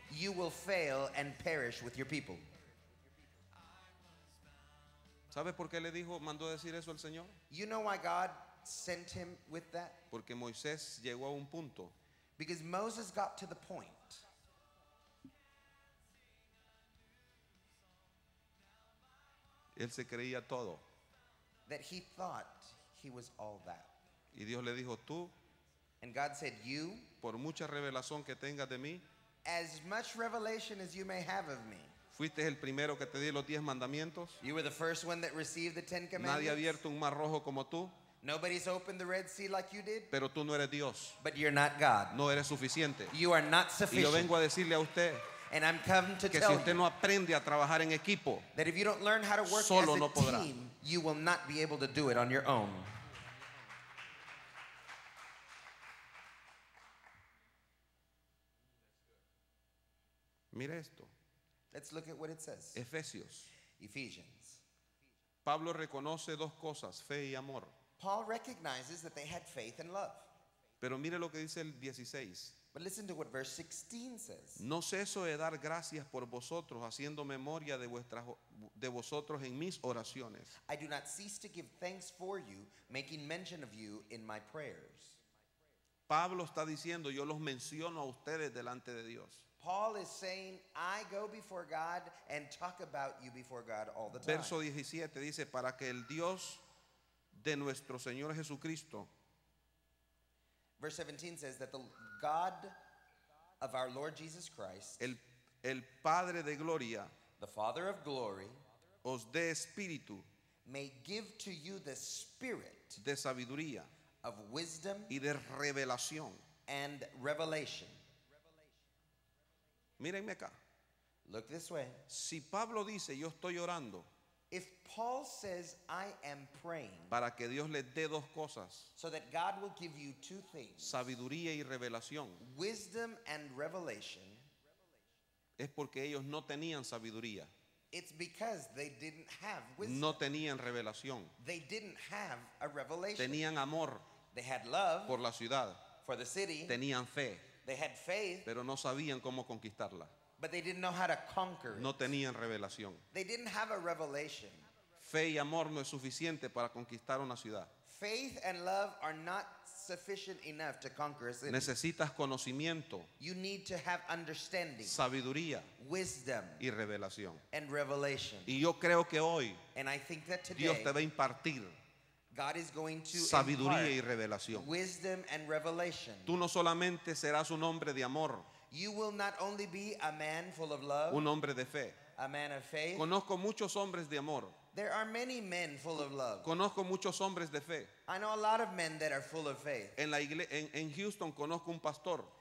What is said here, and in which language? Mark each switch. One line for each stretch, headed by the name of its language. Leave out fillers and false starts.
English: You will fail and perish with your people.
Spanish: ¿Sabes por qué le dijo, mandó decir eso al Señor?
English: You know why God sent him with that?
Spanish: Porque Moisés llegó a un punto.
English: Because Moses got to the point.
Spanish: Él se creía todo.
English: That he thought he was all that.
Spanish: Y Dios le dijo, tú,
English: and God said, you,
Spanish: por mucha revelación que tengas de mí,
English: as much revelation as you may have of me,
Spanish: fuiste el primero que te di los 10 mandamientos.
English: You were the first one that received the 10 commandments.
Spanish: Nadie ha abierto un mar rojo como tú.
English: Nobody's opened the Red Sea like you did.
Spanish: Pero tú no eres Dios.
English: But you're not God.
Spanish: No eres suficiente.
English: You are not sufficient.
Spanish: Y yo vengo a decirle a usted,
English: and I'm coming to
Spanish: que
English: tell
Spanish: si usted no aprende a trabajar en equipo,
English: that if you don't learn how to work
Spanish: solo
English: as a
Spanish: no podrá.
English: Team, you will not be able to do it on your own.
Spanish: Mira esto.
English: Let's look at what it says.
Spanish: Efesios.
English: Ephesians.
Spanish: Pablo reconoce dos cosas, fe y amor.
English: Paul recognizes that they had faith and love.
Spanish: Pero mire lo que dice el 16.
English: But listen to what verse 16 says.
Spanish: No ceso de dar gracias por vosotros, haciendo memoria de vosotros en mis oraciones.
English: I do not cease to give thanks for you, making mention of you in my prayers.
Spanish: Pablo está diciendo, yo los menciono a ustedes delante de Dios.
English: Paul is saying, I go before God and talk about you before God all the time.
Spanish: Verso 17 dice, para que el Dios de nuestro Señor Jesucristo.
English: Verse 17 says that the God of our Lord Jesus Christ,
Spanish: el Padre de Gloria,
English: the Father of Glory,
Spanish: os dé espíritu,
English: may give to you the spirit
Spanish: de sabiduría,
English: of wisdom
Spanish: y de revelación,
English: and revelation.
Spanish: Mírenme acá.
English: Look this way.
Spanish: Si Pablo dice, yo estoy orando.
English: If Paul says, I am praying.
Spanish: Para que Dios le dé dos cosas.
English: So that God will give you two things.
Spanish: Sabiduría y revelación.
English: Wisdom and revelation.
Spanish: Es porque ellos no tenían sabiduría.
English: It's because they didn't have wisdom.
Spanish: No tenían revelación.
English: They didn't have a revelation.
Spanish: Tenían amor.
English: They had love.
Spanish: Por la ciudad.
English: For the city.
Spanish: Tenían fe.
English: They had faith,
Spanish: pero no sabían cómo conquistarla.
English: But they didn't know how to conquer it.
Spanish: No tenían revelación.
English: They didn't have a revelation.
Spanish: Fe y amor no es suficiente para conquistar una ciudad.
English: Faith and love are not sufficient enough to conquer a city.
Spanish: Necesitas conocimiento.
English: You need to have understanding.
Spanish: Sabiduría.
English: Wisdom.
Spanish: Y revelación.
English: And revelation.
Spanish: Y yo creo que hoy,
English: and I think that today,
Spanish: Dios te va a impartir.
English: God is going to
Spanish: sabiduría y revelación.
English: Wisdom and revelation.
Spanish: Tú no solamente serás un hombre de amor.
English: You will not only be a man full of love.
Spanish: Un hombre de fe.
English: A man of faith.
Spanish: Conozco muchos hombres de amor.
English: There are many men full of love.
Spanish: Conozco muchos hombres de fe.
English: I know a lot of men that are full of faith.
Spanish: En la iglesia, en Houston conozco un pastor.